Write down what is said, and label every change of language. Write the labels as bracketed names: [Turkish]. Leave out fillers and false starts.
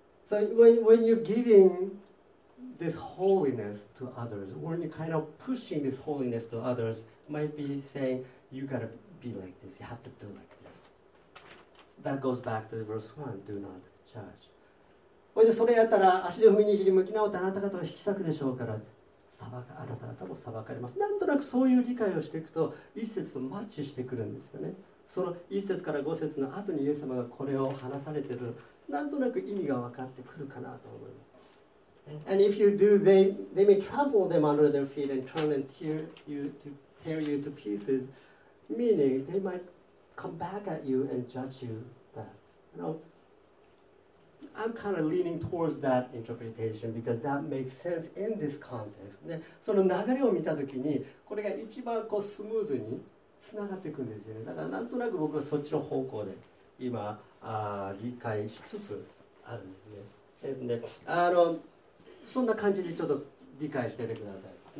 [English] So when you're giving this holiness to others, when you're kind of pushing this holiness to others, might be saying, you gotta be like this, you have to do like this. That goes back to verse 1, do not judge. [Japanese] それでそれやったら足で踏みにじり向き直ってあなた方を引き裂くでしょうから裁かあなた方も裁かれます。なんとなくそういう理解をしていくと一節とマッチしてくるんですよね。その一節から五節の後にイエス様がこれを話されているなんとなく意味が分かってくるかなと思います。 [English] And if you do, they may trample them under their feet and turn and tear you to pieces, meaning they might come back at you and judge you back. You know, I'm kind of leaning towards that interpretation because that makes sense in this context. [Japanese] ね、その流れを見たときに、これが一番こうスムーズにつながっていくんですよね。だからなんとなく僕はそっちの方向で今、理解しつつあるんですね。ですね。そんな感じでちょっと理解しててください。